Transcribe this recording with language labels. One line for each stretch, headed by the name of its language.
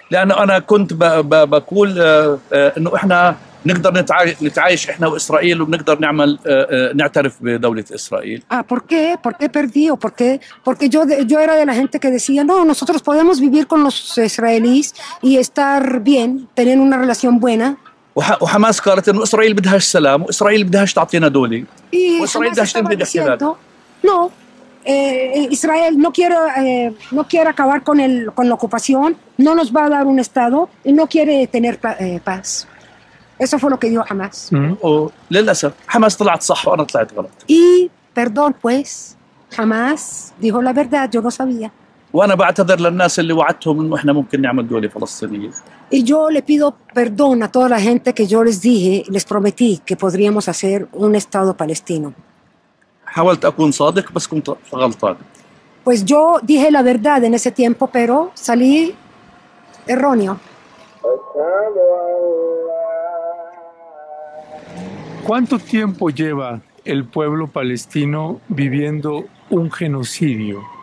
Arabic: لأنه أنا كنت بقول إنه إحنا نقدر نتعايش إحنا وإسرائيل وبنقدر نعمل نعترف بدولة إسرائيل.
Spanish: ¿Por qué? ¿Por qué perdí o por qué? Porque yo era de la gente que decía, "No, nosotros podemos vivir con los israelíes y estar bien, tener una relación buena."
Arabic: وحماس قالت انه اسرائيل بدهاش سلام واسرائيل بدهاش تعطينا دولي واسرائيل بدهاش تنفذ احتلال.
Spanish: No, Israel no quiere acabar con la ocupación, no nos va a dar un estado y no quiere tener paz. Eso fue lo que dijo Hamas.
Arabic: للاسف حماس طلعت صح وانا طلعت غلط.
Spanish: Y perdón pues, Hamas dijo la verdad, yo no sabía.
Arabic: وانا بعتذر للناس اللي وعدتهم انه احنا ممكن نعمل دولة فلسطينية.
Spanish: Y yo le pido perdón a toda la gente que yo les dije, les prometí que podríamos hacer un Estado palestino.
Arabic: حاولت أكون صادق بس كنت غلطان.
Spanish: Pues yo dije la verdad en ese tiempo, pero salí erróneo. ¿Cuánto tiempo lleva el pueblo palestino viviendo un genocidio?